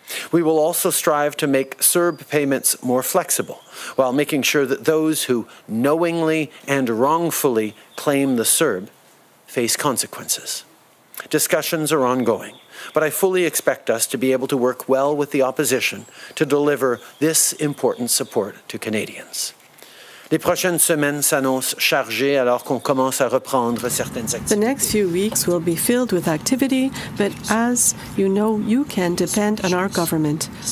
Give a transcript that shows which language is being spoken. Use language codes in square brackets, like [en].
[en] We will also strive to make CERB payments more flexible, while making sure that those who knowingly and wrongfully claim the CERB face consequences. Discussions are ongoing, but I fully expect us to be able to work well with the opposition to deliver this important support to Canadians. [fr] Les prochaines semaines s'annoncent chargées alors qu'on commence à reprendre certaines activités. [en] The next few weeks will be filled with activity, but as you know, you can depend on our government.